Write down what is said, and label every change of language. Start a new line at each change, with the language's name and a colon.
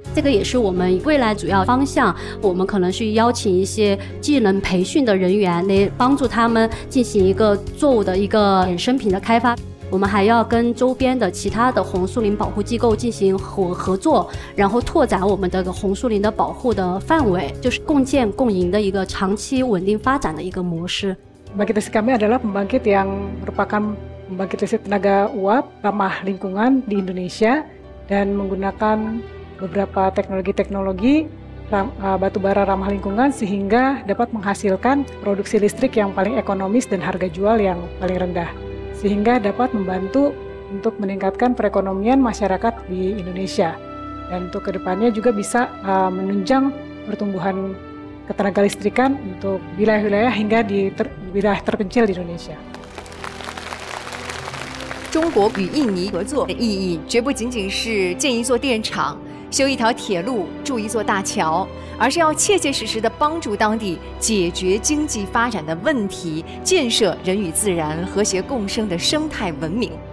Chinese: 这个也是我们未来主要方向，我们可能是邀请一些技能培训的人员来帮助他们进行一个作物的一个衍生品的开发。我们还要跟周边的其他的红树林保护机构进行合作，然后拓展我们的红树林的保护的范围，就是共建共赢的一个长期稳定发展的一个模式。
Indonesian: Bangkitis kami adalah pembangkit yang merupakan pembangkit listrik tenaga uap ramah lingkungan di Indonesia dan menggunakan beberapa teknologi-teknologi batu bara ramah lingkungan sehingga dapat menghasilkan produksi listrik yang paling ekonomis dan harga jual yang paling rendah. Sehingga dapat membantu untuk meningkatkan perekonomian masyarakat di Indonesia. Dan untuk kedepannya juga bisa menunjang pertumbuhan ketenaga listrikan untuk wilayah-wilayah hingga di wilayah terpencil di Indonesia.
Chinese: 中国与印尼合作的意义绝不仅仅是建一座电厂、修一条铁路、筑一座大桥，而是要切切实实地帮助当地解决经济发展的问题，建设人与自然和谐共生的生态文明。